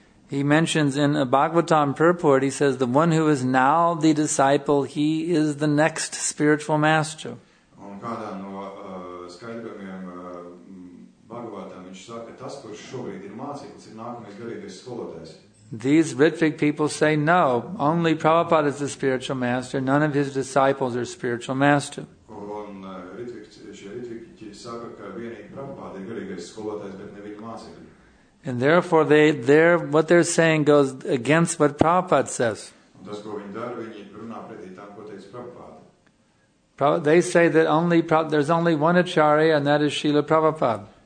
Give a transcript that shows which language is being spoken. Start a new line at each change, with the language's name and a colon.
English: He mentions in a Bhagavatam purport, he says, the one who is now the disciple, he is the next spiritual master.
Latvian: Kādā no skaidrojumiem Bhagavatam viņš saka, tas, kurš šobrīd ir mācīts, ir nākamais garīgais skolotājs.
English: These Vidvik people say no, only Prabhupada is the spiritual master, none of his disciples are spiritual master.
Latvian: Un šie Vidvikiķi saka, ka vienīgi Prabhupada ir garīgais skolotājs, bet ne viņa mācīts.
English: And therefore, what they're saying goes against what Prabhupada says.
Latvian: Un tas, ko viņi dara, viņi runā pretī tam, ko teica Prabhupada.
English: They say that only there's only one acharya, and that is Srila Prabhupada.